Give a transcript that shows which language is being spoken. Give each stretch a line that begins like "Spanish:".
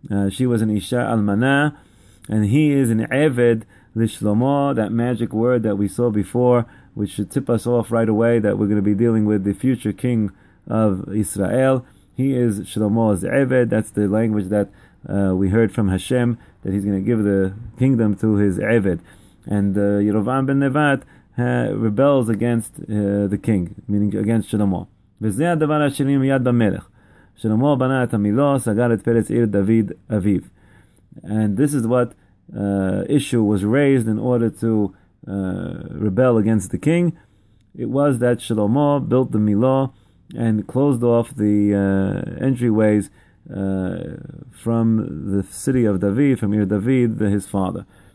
English: She was an Isha Almana, and he is an Eved Lishlomo, that magic word that we saw before, which should tip us off right away that we're going to be dealing with the future king of Israel. He is Shlomo's Eved. That's the language that we heard from Hashem, that he's going to give the kingdom to his Eved. And Yerovam ben Nevat rebels against the king, meaning against Shlomo.
Hebrew: וזה הדבר השני מיד במלך. Shlomo בנה את המילו, סגר את פרץ עיר דוד אביו.
English: And this is what issue was raised in order to rebel against the king. It was that Shlomo built the milo and closed off the entryways from the city of David, from Ir David, his father.